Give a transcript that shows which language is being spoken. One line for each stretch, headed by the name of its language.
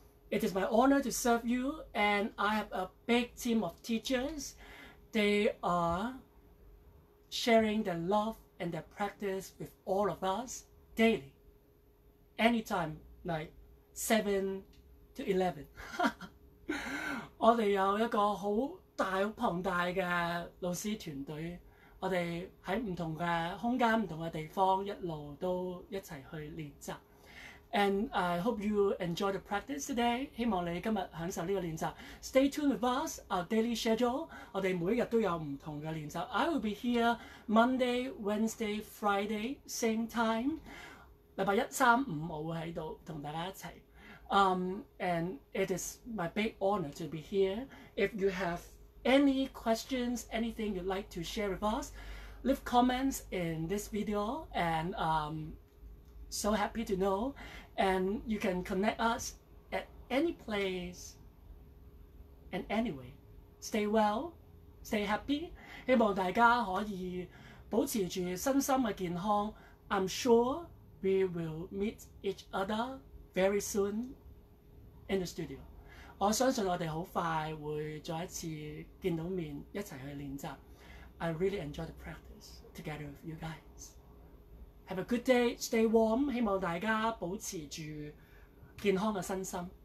English: It is my honor to serve you, and I have a big team of teachers. They are sharing their love and their practice with all of us daily, anytime, like 7 to 11.
Chinese: 我們有一個很大龐大的老師團隊, 我們在不同的空間、不同的地方一路都一起去練習.
English: And I hope you enjoy the practice today.
Chinese: 希望你今天享受這個練習.
English: Stay tuned with us, our daily schedule.
Chinese: 我們每一天都有不同的練習.
English: I will be here Monday, Wednesday, Friday, same time.
Chinese: 星期一、三、五我會在這裡跟大家一起.
English: And it is my big honor to be here. If you have any questions, anything you'd like to share with us, leave comments in this video. And so happy to know. And you can connect us at any place and anyway. Stay well, stay happy.
Chinese: 希望大家可以保持住身心的健康.
English: I'm sure we will meet each other very soon in the studio.
Chinese: 我相信我們很快會再一次見到面一起去練習.
English: I really enjoy the practice together with you guys. Have a good day, stay warm.
Chinese: 希望大家保持住健康的身心.